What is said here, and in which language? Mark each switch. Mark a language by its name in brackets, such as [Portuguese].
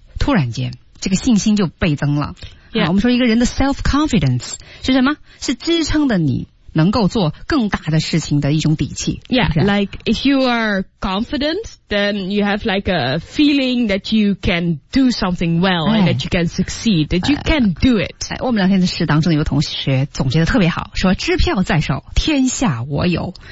[Chinese] 突然间这个信心就倍增了。 [English] Yeah. [Chinese] 我们说一个人的 self-confidence 是什么？是支撑的你能够做更大的事情的一种底气。 [English] Yeah, [Chinese] 是不是？ [English] Like if you are confident, then you have like a feeling that you can do something well、and that you can succeed, that you can do it.、 [Chinese] 我们聊天的室当中有个同学总结得特别好，说支票在手，天下我有。